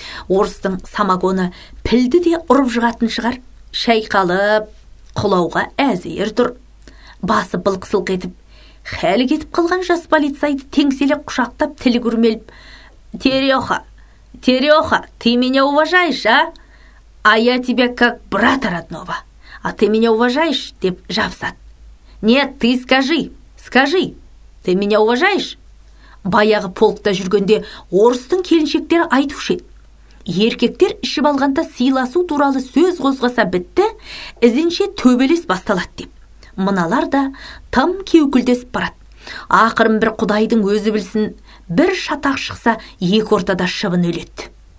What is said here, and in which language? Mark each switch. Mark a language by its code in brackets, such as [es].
[kk] Орыстың самогоны пілді де ұрып жығатын шығар, шайқалып құлауға әзір тұр. Басы былқ-сылқ етіп хәлі кетіп қалған жас полицайды теңселе құшақтап тілі көрмеліп, [ru] «Тереха, Тереха, ты меня уважаешь, а? А я тебя как брата родного. А ты меня уважаешь?» [kk] деп жабысады. [ru] «Нет, ты скажи, скажи, ты меня уважаешь?» [kk] Баяғы полкта жүргенде орыстың келіншектері айтушы еді. Еркектер ішіп алғанда сыйласу туралы сөз қозғаса бітті, ізінше төбелес басталады деп. Мыналар да тым кеукілдесіп барады. Ақырын бір құдайдың өзі білсін, бір шатақ шықса, екі ортада шыбын өледі.